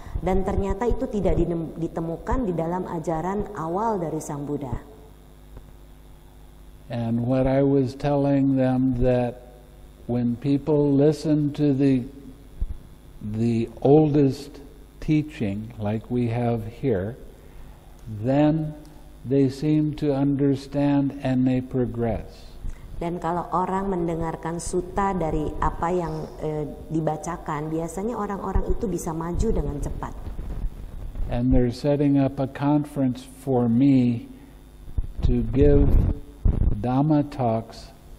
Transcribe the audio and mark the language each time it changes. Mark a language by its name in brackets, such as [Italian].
[Indonesian] Dan ternyata itu tidak ditemukan di dalam ajaran awal dari Sang Buddha. [English] And what I was telling them that when people listen to the oldest teaching like we have here, then they seem to understand and they progress. [Indonesian] Dan kalau orang mendengarkan sutta dari apa yang dibacakan, biasanya orang-orang itu bisa maju dengan cepat. [English] And they're setting up a conference for me to give Dhamma talks